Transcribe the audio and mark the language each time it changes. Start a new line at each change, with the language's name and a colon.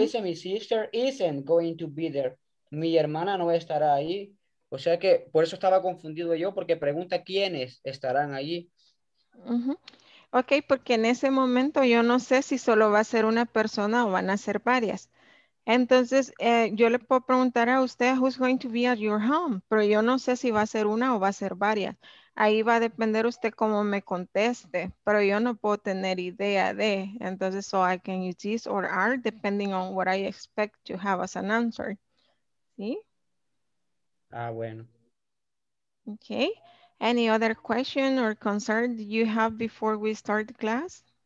Spanish: dice,
English: my sister isn't going to be there.
Spanish: Mi hermana no estará ahí. O sea que por eso estaba confundido yo, porque pregunta quiénes estarán ahí. Uh-huh. Ok, porque en ese momento yo no sé si solo va a ser una persona o van a ser varias. Entonces, yo le puedo preguntar a usted,
English: who's going to be at your home?
Spanish: Pero yo no sé si va a ser una o va a ser varias. Ahí va a depender usted cómo me conteste, pero yo no puedo tener idea de. Entonces,
English: so I can use this or are, depending on what I expect to have as an answer.
Spanish: ¿Sí? Ajá. Ah, bueno.
English: Okay. Any other question or concern you have before we start the class?